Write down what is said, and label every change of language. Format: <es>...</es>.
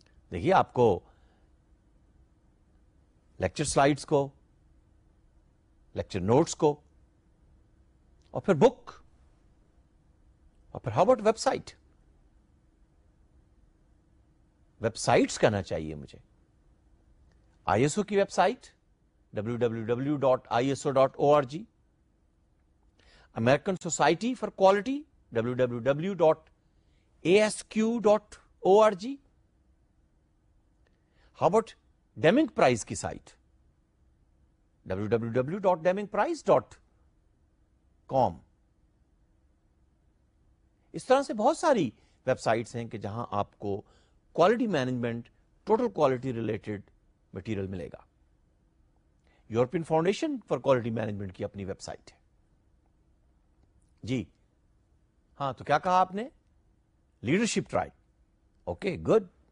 <ur>دیکھیے آپ کو لیکچر سلائڈس کو، لیکچر نوٹس کو، اور پھر بک، اور پھر how about web site? Web sites کہنا چاہیے مجھے، آئی ایس او کی web site www.iso.org, American Society for Quality www.asq.org.</ur> <en>How about Deming Prize</en> <ur>ki</ur> <en>site www.demingprize.com.</en> <ur>اس طرح سے بہت ساری ویب سائٹس ہیں کہ جہاں آپ کو quality management, total quality related material ملے گا. European foundation for quality management کی اپنی ویب سائٹ ہے. جی ہاں، تو کیا کہا آپ نے؟ Leadership try. Okay good.</ur>